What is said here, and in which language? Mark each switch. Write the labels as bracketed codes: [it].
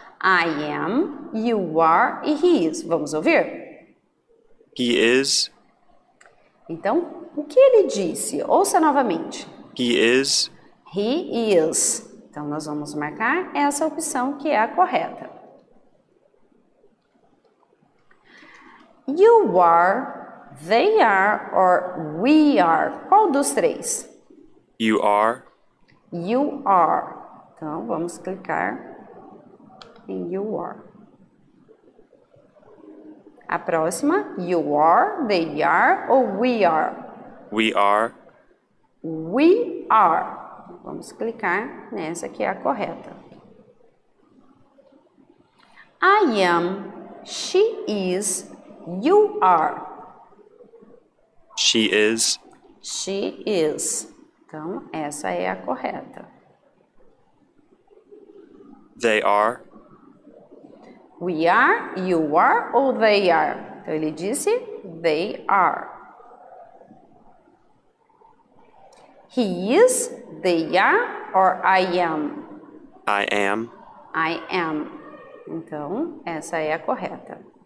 [en] I am, you are e he is. [pt] Vamos ouvir? [en] He is. [pt] Então, o que ele disse? Ouça novamente. [en] He is. He is. [pt] Então, nós vamos marcar essa opção que é a correta. [en] You are, they are, or we are. [pt] Qual dos três? [en] You are. You are. [pt] Então, vamos clicar em [en] you are. [pt] A próxima, [en] you are, they are, or we are. We are. We are. [pt] Vamos clicar nessa que é a correta. [en] I am, she is. You are. She is. She is. [pt] Então, essa é a correta. [en] They are. We are, you are, ou they are. [pt] Então, ele disse [en] they are. He is, they are, or I am. I am. I am. [pt] Então, essa é a correta.